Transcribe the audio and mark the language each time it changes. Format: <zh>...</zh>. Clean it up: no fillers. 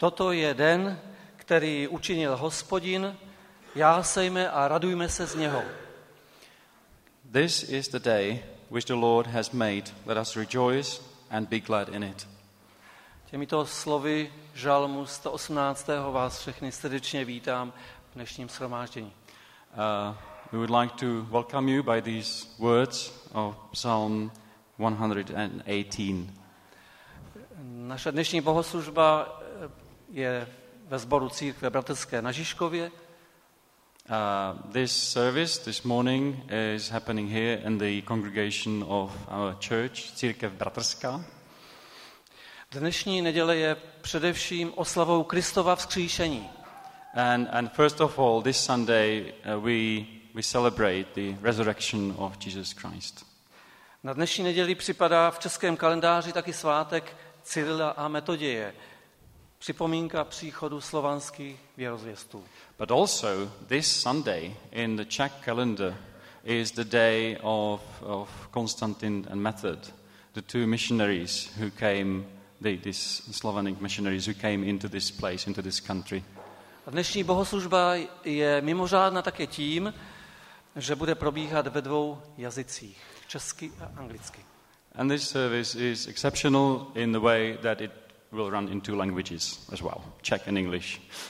<cs>Toto je den, který učinil Hospodin, jásejme a radujme se z něho.</cs> <en>This is the day which the Lord has made. Let us rejoice and be glad in it.</en> <cs>Těmito slovy žalmu 118. vás všechny srdečně vítám v dnešním shromáždění.</cs> <en>We would like to welcome you by these words of Psalm 118.</en> <cs>Naše dnešní bohoslužba je ve sboru církve bratrské na Žižkově.</cs> <en>This service this morning is happening here in the congregation of our church, Církev Bratrská.</en> <cs>Dnešní neděle je především oslavou Kristova vzkříšení.</cs> <en>And first of all, this Sunday we celebrate the resurrection of Jesus Christ.</en> <cs>Na dnešní neděli připadá v českém kalendáři taky svátek Cyrila a Metoděje. Připomínka příchodu slovanských věrozvěstů.</cs> <en>But also this Sunday in the Czech calendar is the day of Constantine and Method, the two missionaries who came, these Slavonic missionaries who came into this place, into this country.</en> <cs>A dnešní bohoslužba je mimořádná také tím, že bude probíhat ve dvou jazycích, česky a anglicky.</cs> <en>And this service is exceptional in the way that it will run in two languages as well, Czech and English.</en>